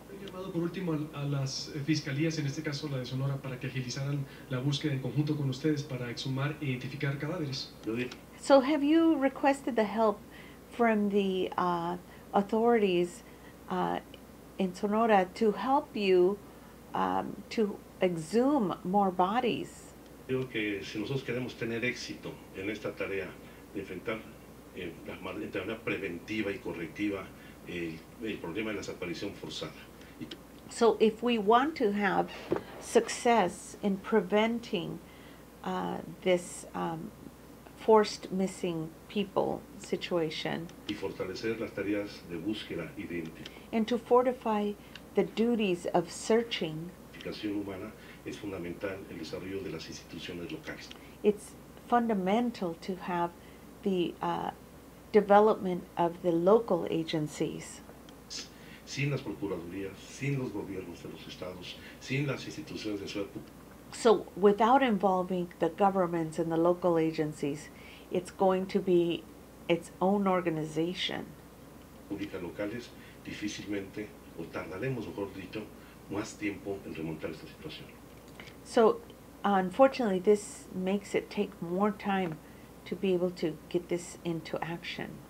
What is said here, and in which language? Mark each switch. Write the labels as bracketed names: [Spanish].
[Spanish] Llamado por último a las fiscalías, en este caso la de Sonora, para que agilizaran la búsqueda en conjunto con ustedes para exhumar e identificar cadáveres. [English] So have you requested the help from the authorities in Sonora to help you to exhume more bodies? [Spanish] Creo que si nosotros queremos tener éxito en esta tarea de enfrentar de manera preventiva y correctiva el problema de la desaparición forzada. [English] So if we want to have success in preventing this forced missing people situation, [Spanish] y fortalecer las tareas de búsqueda y de identificación, [English] and to fortify the duties of searching, [Spanish] identificación humana, es fundamental el desarrollo de las instituciones locales. [English] It's fundamental to have the development of the local agencies. [Spanish] Sin las procuradurías, sin los gobiernos de los estados, sin las instituciones de ciudad. [English] So, without involving the governments and the local agencies, it's going to be its own organization. [Spanish] Públicas locales difícilmente, o tardaremos, mejor dicho, más tiempo en remontar esta situación. [English] So, unfortunately, this makes it take more time to be able to get this into action.